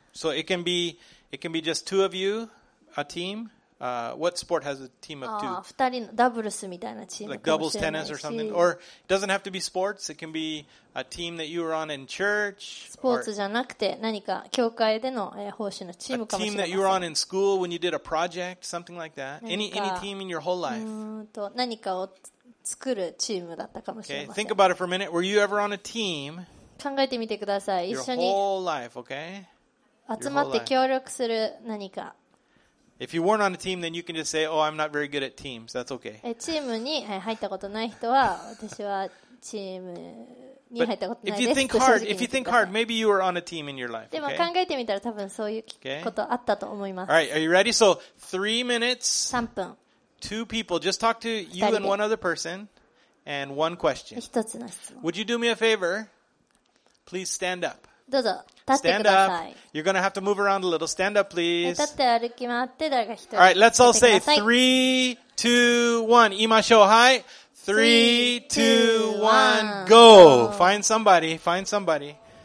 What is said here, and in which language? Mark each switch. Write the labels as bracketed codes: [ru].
[en] So it can be just two of you, a team. What sport has a team of two? [ja] Ah, 二人のダブルスみたいなチーム [en] か。Like doubles tennis or something, or it doesn't have to be sports. It can be a team that you were on in church. [ja] スポーツじゃなくて何か教会での奉仕のチームかもしれない。 [en] A team that you were on in school when you did a project, something like that. Any team in your whole life? [ja] 何かを作るチームだったかもしれない。 [en] Okay, think about it for a minute. Were you ever on a team? [ja] 考えてみてください。一緒に。 [en] Your whole life, okay? [ja] 集まって協力する何か。 [en] If you weren't on a team, then you can just say, "Oh, I'm not very good at teams." That's okay. [ja] チームに入ったことない人は、私はチームに入ったことないです。 [en] If you think hard, maybe you were on a team in your life. [ja] でも考えてみたら多分そういうことあったと思います。 [en] All right, are you ready? So 3 minutes. [ja] 3分。 [en] Two people. Just talk to you and one other person, and one question. [ja] 一つの質問。 [en] Would you do me a favor? Please stand up. [ja] どうぞ立ってください。 [en] Stand up. You're gonna have to move around a little. Stand up, please. [ja] 立って歩き回って誰か一人。 [en] All right, let's all say 3, 2, 1. [ja] 言いましょう。はい。 [en] 3, 2, 1. Go. Find somebody. Find somebody.